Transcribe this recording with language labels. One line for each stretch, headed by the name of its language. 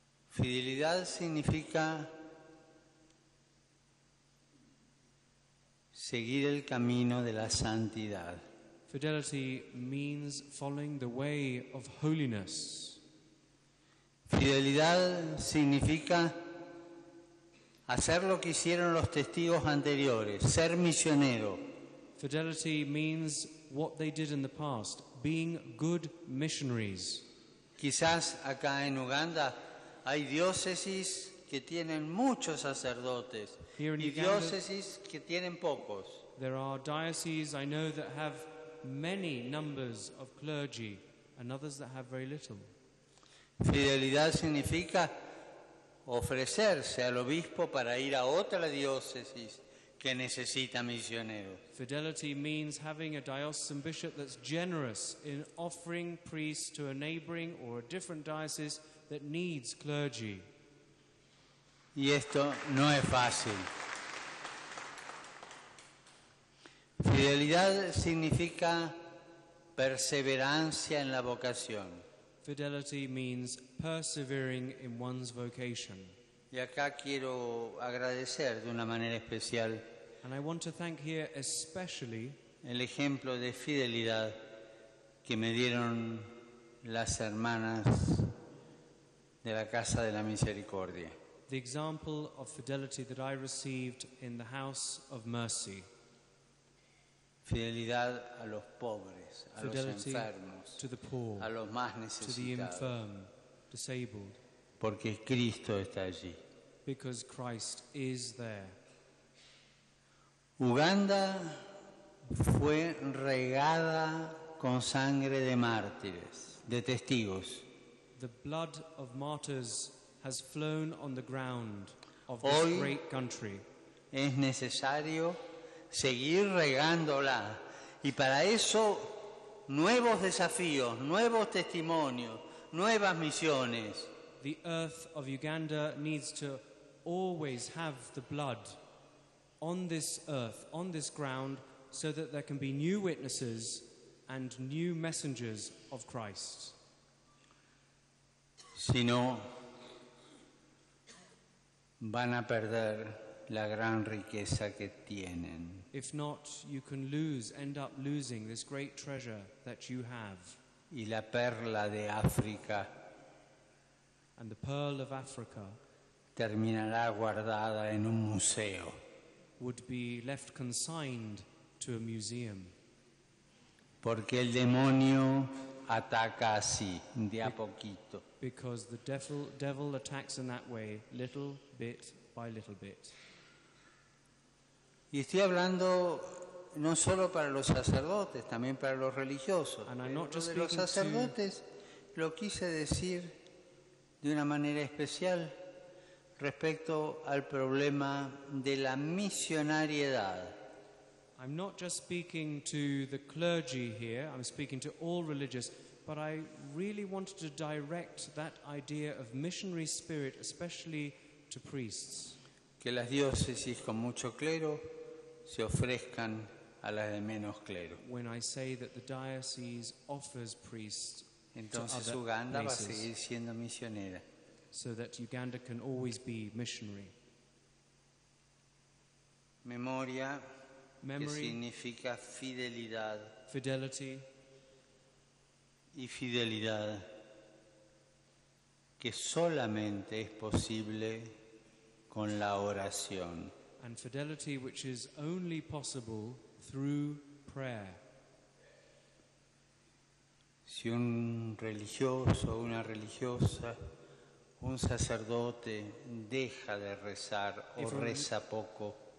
Spanish: Fidelidad significa seguir el camino de la santidad.
English: Fidelity means following the way of holiness.
Spanish: Fidelidad significa hacer lo que hicieron los testigos anteriores, ser misionero.
English: Fidelity means what they did in the past, being good missionaries.
Spanish: Quizás acá en Uganda hay diócesis que tienen muchos sacerdotes y diócesis que tienen pocos.
English: There are dioceses I know that have many numbers of clergy and others that have very little.
Spanish: Fidelidad significa ofrecerse al obispo para ir a otra diócesis que necesita misioneros.
English: Fidelity means having a diocesan bishop that's generous in offering priests to a neighboring or a different diocese that needs clergy.
Spanish: Y esto no es fácil. Fidelidad significa perseverancia en la vocación.
English: Fidelity means persevering in one's vocation.
Spanish: Y acá quiero agradecer de una manera especial.
English: And I want to thank here especially
Spanish: el ejemplo de fidelidad que me dieron las hermanas de la Casa de la Misericordia.
English: The example of fidelity that I received in the House of Mercy.
Spanish: Fidelidad a los pobres, a
English: fidelity
Spanish: los enfermos,
English: to the poor,
Spanish: a los más necesitados,
English: to the infirm, disabled,
Spanish: porque Cristo está allí.
English: Because Christ is there.
Spanish: Uganda fue regada con sangre de mártires, de testigos.
English: The blood of martyrs has flown on the ground of this
Spanish: hoy
English: great country.
Spanish: Es necesario seguir regándola, y para eso nuevos desafíos, nuevos testimonios, nuevas misiones.
English: The earth of Uganda needs to always have the blood on this earth, on this ground, so that there can be new witnesses and new messengers of Christ.
Spanish: Si no, van a perder la gran riqueza que tienen.
English: If not, you can lose, end up losing this great treasure that you have.
Spanish: Y la perla de África.
English: And the pearl of Africa
Spanish: terminará guardada en un museo.
English: Would be left consigned to a museum.
Spanish: Porque el demonio ataca así, de a poquito.
English: Because the devil attacks in that way, little bit by little bit.
Spanish: Y estoy hablando no solo para los sacerdotes, también para los religiosos.
English: And I'm not just speaking
Spanish: los sacerdotes,
English: to
Spanish: lo quise decir de una manera especial respecto al problema de la misionariedad.
English: I'm not just speaking to the clergy here, I'm speaking to all religious, but I really wanted to direct that idea of missionary spirit especially to priests.
Spanish: Que las diócesis con mucho clero se ofrezcan a las de menos clero.
English: When I say that the diocese offers priests,
Spanish: entonces
English: to other Uganda places,
Spanish: va a seguir siendo misionera.
English: So that Uganda can always be missionary.
Spanish: Memoria,
English: memory,
Spanish: que significa fidelidad.
English: Fidelity.
Spanish: Y fidelidad que solamente es posible con la oración.
English: And fidelity which is only possible through prayer.
Spanish: Si un religioso, una religiosa, un sacerdote deja de rezar o reza poco,